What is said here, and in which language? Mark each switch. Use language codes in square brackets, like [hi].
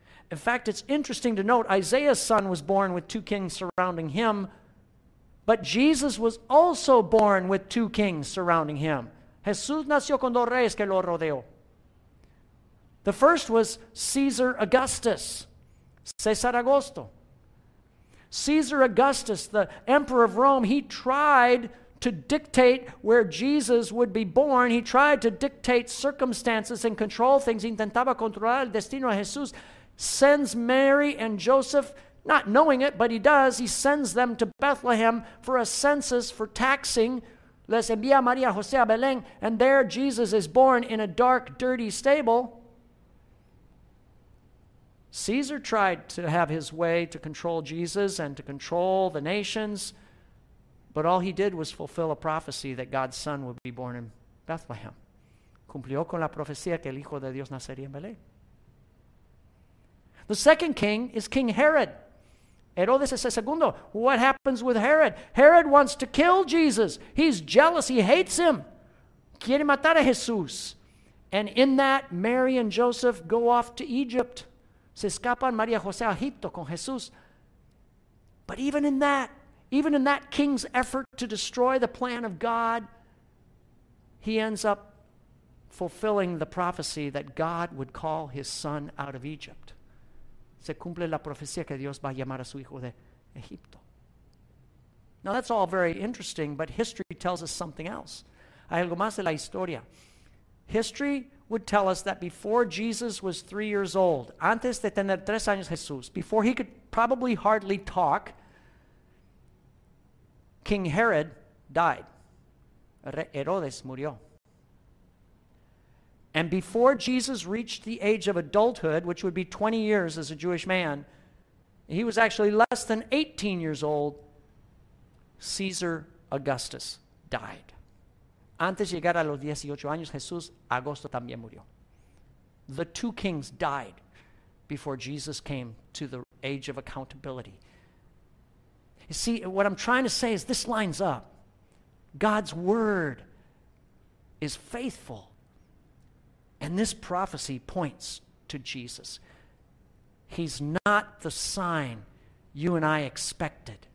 [en] In fact, it's interesting to note, Isaiah's son was born with two kings surrounding him, but Jesus was also born with two kings surrounding him. [es] Jesús nació con dos reyes que lo rodeó. [en] The first was Caesar Augustus, César Augusto. Caesar Augustus, the emperor of Rome, he tried to dictate where Jesus would be born. He tried to dictate circumstances and control things. [es] Intentaba controlar el destino de Jesús. [en] Sends Mary and Joseph, not knowing it, but he does. He sends them to Bethlehem for a census, for taxing. [es] Les envía a María José a Belén. [en] And there Jesus is born in a dark, dirty stable. Caesar tried to have his way to control Jesus and to control the nations. But all he did was fulfill a prophecy that God's son would be born in Bethlehem. [es] Cumplió con la profecía que el Hijo de Dios nacería en Belén. [en] The second king is King Herod. [es] Herodes es el segundo. [en] What happens with Herod? Herod wants to kill Jesus. He's jealous. He hates him. [es] Quiere matar a Jesús. [en] And in that, Mary and Joseph go off to Egypt. [es] Se escapan María José a Egipto con Jesús. [en] But even in that, even in that king's effort to destroy the plan of God, he ends up fulfilling the prophecy that God would call his son out of Egypt. [es] Se cumple la profecía que Dios va a llamar a su hijo de Egipto. [en] Now that's all very interesting, but history tells us something else. [es] Hay algo más de la historia. [en] History would tell us that before Jesus was 3 years old, [es] antes de tener tres años Jesús, [en] before he could probably hardly talk, King Herod died. [es] Herodes murió. [en] And before Jesus reached the age of adulthood, which would be 20 years as a Jewish man, he was actually less than 18 years old. Caesar Augustus died. [es] Antes de llegar a los 18 años, Jesús Augusto también murió. [en] The two kings died before Jesus came to the age of accountability. You see, what I'm trying to say is this lines up. God's word is faithful. And this prophecy points to Jesus. He's not the sign you and I expected.